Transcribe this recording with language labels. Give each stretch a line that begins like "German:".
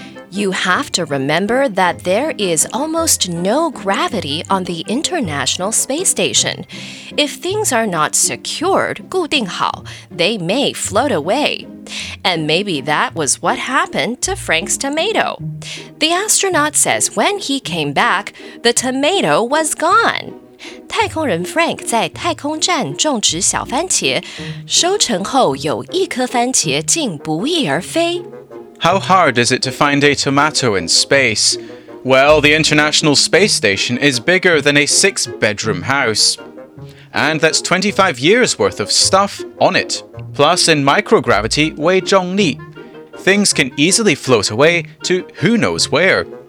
English: You have to remember that there is almost no gravity on the International Space Station. If things are not secured,
Chinese: 固定好,
English: they may float away. And maybe that was what happened to Frank's tomato. The astronaut says when he came back, the tomato was gone.
Chinese: 太空人 Frank 在太空站种植小番茄,收成后有一颗番茄竟不翼而飞。
English: How hard is it to find a tomato in space? Well, the International Space Station is bigger than a 6-bedroom house. And that's 25 years worth of stuff on it. Plus, in microgravity,
Chinese: wei zhong li.
English: Things can easily float away to who knows where.